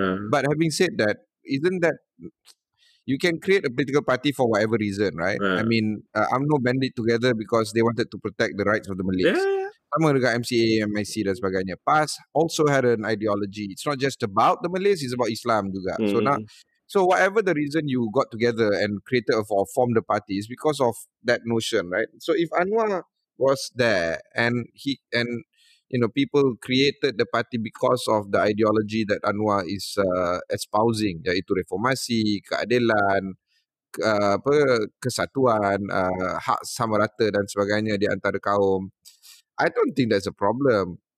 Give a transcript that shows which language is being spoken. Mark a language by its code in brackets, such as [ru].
[en] But having said that, isn't that... You can create a political party for whatever reason, right? UMNO banded together because they wanted to protect the rights of the Malays. Yeah. [ms] Sama dengan MCA, MIC dan sebagainya. [en] PAS also had an ideology. It's not just about the Malays, it's about Islam juga. Mm. So whatever the reason you got together and created or formed the party is because of that notion, right? So if Anwar was there and he and you know people created the party because of the ideology that Anwar is espousing, [ms] iaitu reformasi, keadilan, kesatuan, hak sama rata dan sebagainya di antara kaum, [en] I don't think that's a problem.